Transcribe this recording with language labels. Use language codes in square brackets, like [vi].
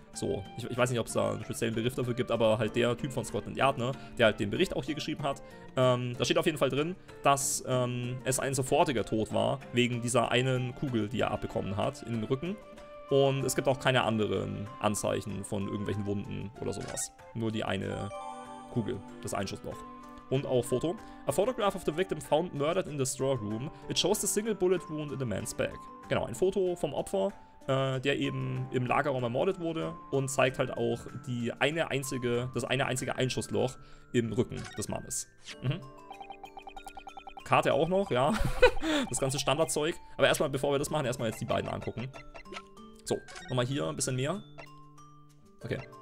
[de] So, ich weiß nicht, ob es da einen speziellen Begriff dafür gibt, aber halt der Typ von Scotland Yard, ne, der halt den Bericht auch hier geschrieben hat. Da steht auf jeden Fall drin, dass es ein sofortiger Tod war, wegen dieser einen Kugel, die er abbekommen hat, in den Rücken. Und es gibt auch keine anderen Anzeichen von irgendwelchen Wunden oder sowas. Nur die eine Kugel, das Einschussloch. Und auch Foto. [en] A photograph of the victim found murdered in the straw room. It shows the single bullet wound in the man's back. [de] Genau, ein Foto vom Opfer, der eben im Lagerraum ermordet wurde und zeigt halt auch die eine einzige, das eine einzige Einschussloch im Rücken des Mannes. Mhm. Karte auch noch, ja. Das ganze Standardzeug. Aber erstmal, bevor wir das machen, erstmal jetzt die beiden angucken. So, nochmal hier ein bisschen mehr. Okay.